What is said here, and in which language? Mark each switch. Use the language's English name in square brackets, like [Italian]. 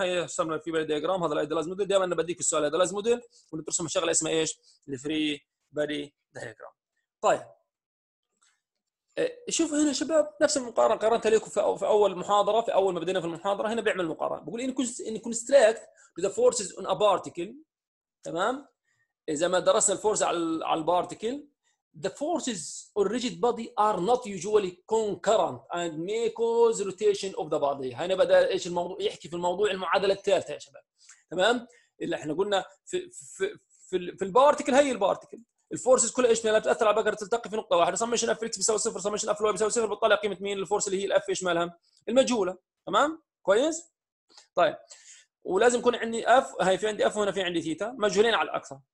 [Arabic] هي رسمنا الفري بادي دياجرام، هذا الايدلايز موديل. دائما بديك السؤال ايدلايز موديل وبترسم الشغله اسمها ايش؟ الفري بادي دياجرام. طيب شوف هنا شباب نفس المقارنه قارنتها لكم في اول محاضره، في اول ما بدينا في المحاضره هنا بيعمل مقارنه، بقول ان [English] construct the forces on a particle [Arabic] تمام زي ما درس الفورس على البارتكل. [English] The forces on rigid body are not usually concurrent and may cause rotation of the body. [Arabic] هنا بدأ إيش الموضوع يحكي في الموضوع المعادلة الثالثة يا شباب. تمام؟ اللي إحنا قلنا في في في في البارتكل هي البارتكل. الفورسز كلها إيش مالها بتأثر على بقرة تلتقي في نقطة واحدة. سمشن F X بيساوي صفر، سمشن F Y بيساوي صفر، بتطلع قيمة مين الفورس اللي هي F إيش مالها؟ المجهولة. تمام؟ كويس؟ طيب. ولازم يكون عندي F، هاي في عندي F وهنا في عندي ثيتا، مجهولين على الأكثر.